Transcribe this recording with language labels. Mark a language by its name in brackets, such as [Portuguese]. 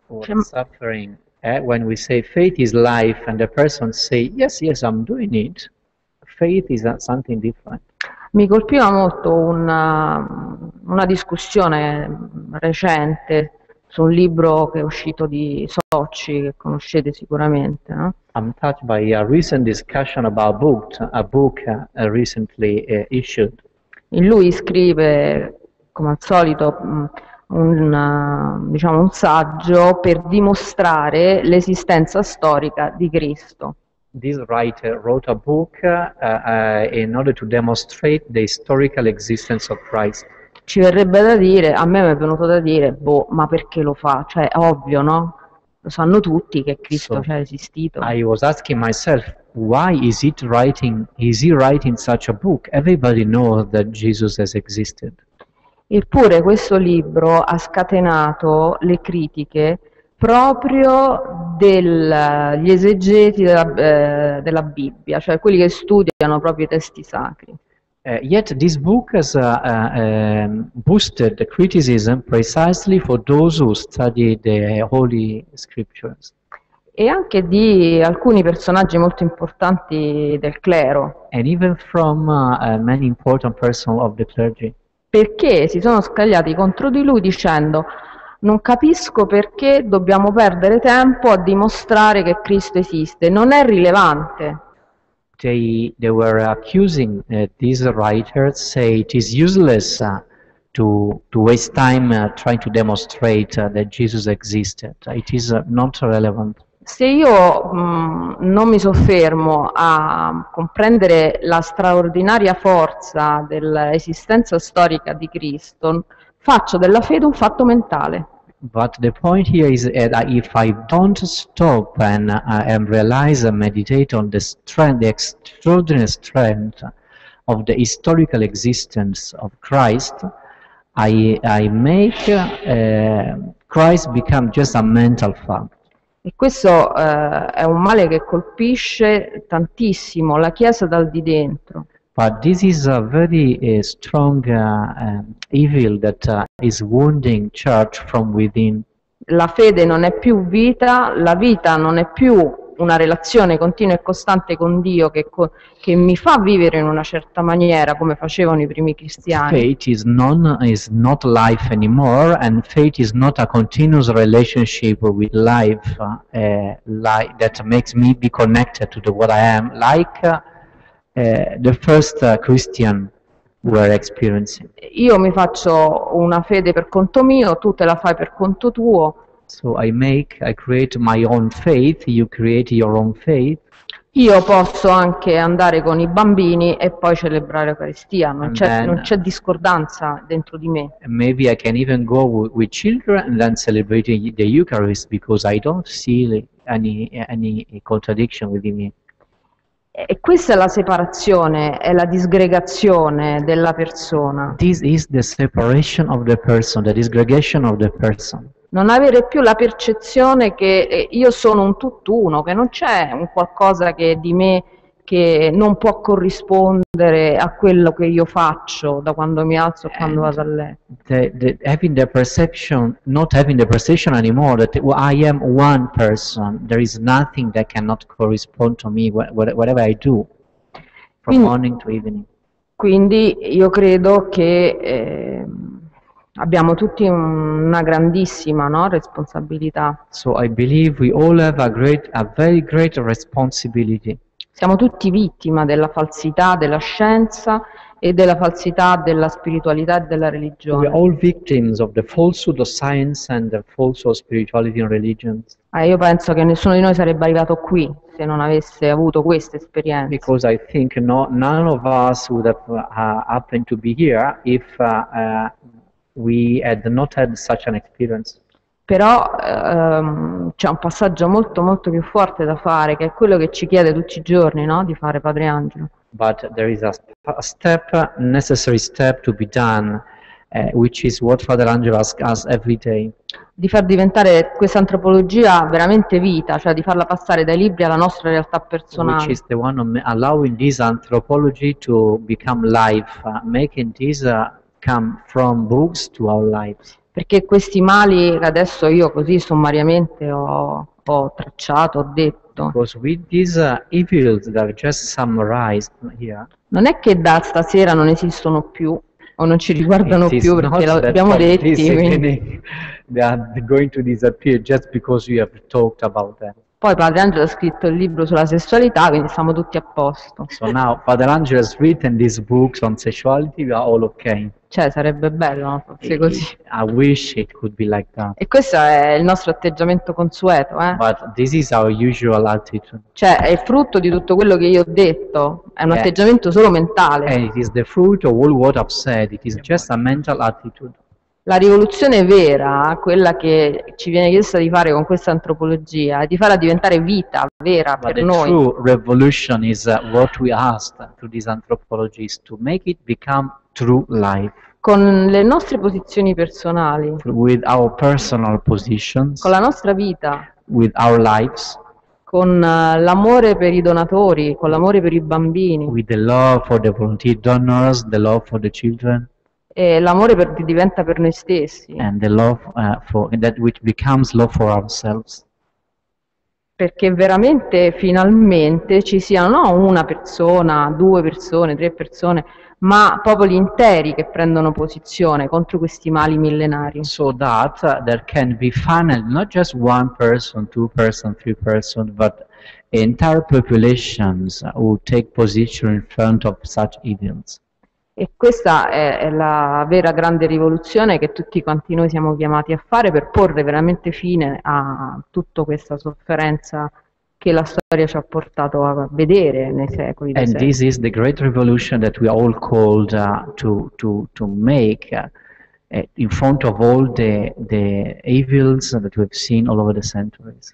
[English] Suffering, when we say faith is life and the person say yes I'm doing it, faith is something different. [Italian] Mi colpiva molto una discussione recente su un libro che è uscito di Socci, che conoscete sicuramente, no? [English] I'm touched by a recent discussion about a book recently issued. [Italian] In lui scrive, come al solito, un saggio per dimostrare l'esistenza storica di Cristo. [English] this writer wrote a book in order to demonstrate the historical existence of Christ. [Italian] Ci verrebbe da dire, a me mi è venuto da dire, boh, ma perché lo fa? Cioè, è ovvio, no? Lo sanno tutti che Cristo c'è esistito. [English] I was asking myself, why is it writing? Is he writing such a book? Everybody knows that Jesus has existed. [Italian] Eppure questo libro ha scatenato le critiche proprio degli esegeti della Bibbia, cioè quelli che studiano proprio i testi sacri. [English] Yet this book has boosted the criticism precisely for those who study the Holy Scriptures. [Italian] E anche di alcuni personaggi molto importanti del clero. [English] And even from many important persons of the clergy. [Italian] Perché si sono scagliati contro di lui dicendo: non capisco perché dobbiamo perdere tempo a dimostrare che Cristo esiste, non è rilevante. [English] They were accusing these writers, say it is useless to waste time trying to demonstrate that Jesus existed. It is not relevant. [Italian] Se io non mi soffermo a comprendere la straordinaria forza dell'esistenza storica di Cristo, faccio della fede un fatto mentale. [English] But the point here is that if I don't stop and realize and meditate on the strength, the extraordinary strength of the historical existence of Christ, I make Christ become just a mental fact. [Italian] E questo è un male che colpisce tantissimo la Chiesa dal di dentro. [English] But this is a very strong evil that is wounding church from within. [Italian] La fede non è più vita, la vita non è più una relazione continua e costante con Dio che mi fa vivere in una certa maniera come facevano i primi cristiani. [English] Faith is not life anymore, and faith is not a continuous relationship with life that makes me be connected to the what I am like. The first Christian were experiencing. [Italian] Io mi faccio una fede per conto mio, tu te la fai per conto tuo. [English] So I create my own faith, you create your own faith. [Italian] Io posso anche andare con i bambini e poi celebrare l'Eucaristia, non c'è discordanza dentro di me. [English] Maybe I can even go with children and then celebrate the Eucharist because I don't see any contradiction within me. [Italian] E questa è la separazione, è la disgregazione della persona. [English] This is the separation of the person, the disgregation of the person. [Italian] Non avere più la percezione che io sono un tutt'uno, che non c'è un qualcosa che di me che non può corrispondere a quello che io faccio da quando mi alzo a quando vado a letto. [English] Having the perception, not having the perception anymore that I am one person, there is nothing that cannot correspond to me whatever I do from morning to evening. [Italian] Quindi io credo che abbiamo tutti una grandissima, no, responsabilità. [English] So I believe we all have a very great responsibility. [Italian] Siamo tutti vittima della falsità della scienza e della falsità della spiritualità e della religione. [English] We are all victims of the falsehood of science and the falsehood of spirituality and religions. [Italian] Io penso che nessuno di noi sarebbe arrivato qui se non avesse avuto questa esperienza. [English] Because I think none of us would have happened to be here if we had not had such an experience. [Italian] Però c'è un passaggio molto molto più forte da fare, che è quello che ci chiede tutti i giorni, no, di fare Padre Angelo. [English] But there is a step, necessary step to be done, which is what Father Angelo asks us every day. [Italian] Di far diventare questa antropologia veramente vita, cioè di farla passare dai libri alla nostra realtà personale. [English] Which is the one allowing this anthropology to become life, making this come from books to our lives. [Italian] Perché questi mali che adesso io così sommariamente ho tracciato, ho detto. [English] Because with these evils that are just summarized here. [Italian] Non è che da stasera non esistono più o non ci riguardano più perché l'abbiamo detto. [English] They are going to disappear just because we have talked about them. [Italian] Poi Padre Angelo ha scritto il libro sulla sessualità, quindi siamo tutti a posto. [English] So now Padre Angelo has written this book on sexuality, we are all okay. [Italian] Cioè, sarebbe bello, no? Forse così. [English] I wish it could be like that. [Italian] E questo è il nostro atteggiamento consueto, eh? [English] But this is our usual attitude. [Italian] Cioè, è frutto di tutto quello che io ho detto. È un atteggiamento solo mentale. [English] And it is the fruit of all what I've said. It is just a mental attitude. [Italian] La rivoluzione vera, quella che ci viene chiesta di fare con questa antropologia, è di farla diventare vita vera per noi. [English] The true revolution is what we asked to these anthropologists to make it become true life. [Italian] Con le nostre posizioni personali. [English] With our personal positions. [Italian] Con la nostra vita. [English] With our lives. [Italian] Con l'amore per i donatori, con l'amore per i bambini. [English] With the love for the volunteer donors, the love for the children. [Italian] E l'amore per, diventa per noi stessi. [English] And the love for that which becomes love for ourselves. [Italian] Perché veramente, finalmente, ci siano una persona, due persone, tre persone, ma popoli interi che prendono posizione contro questi mali millenari. [English] So that there can be finally not just one person, two person, three person, but entire populations who take position in front of such evils. [Italian] E questa è la vera grande rivoluzione che tutti quanti noi siamo chiamati a fare per porre veramente fine a tutta questa sofferenza che la storia ci ha portato a vedere nei secoli. [English] And this is the great revolution that we are all called to make in front of all the evils that we've seen all over the centuries.